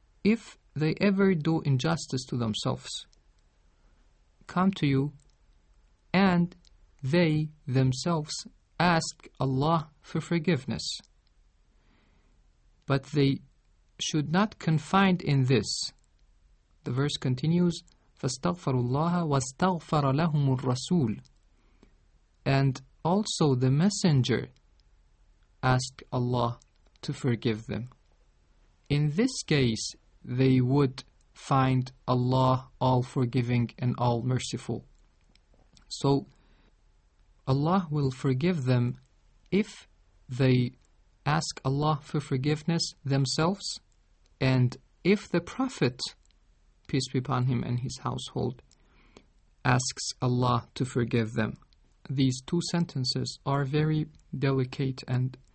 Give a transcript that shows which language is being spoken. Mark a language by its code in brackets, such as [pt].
[en] If they ever do injustice to themselves, come to you, and they themselves ask Allah for forgiveness. But they should not confine in this. The verse continues, [ar] فَاسْتَغْفَرُوا اللَّهَ وَاسْتَغْفَرَ لَهُمُ الرَّسُولُ. [en] And also the messenger asked Allah to forgive them. In this case, they would find Allah all-forgiving and all-merciful. So, Allah will forgive them if they ask Allah for forgiveness themselves, and if the Prophet, peace be upon him and his household, asks Allah to forgive them. These two sentences are very delicate and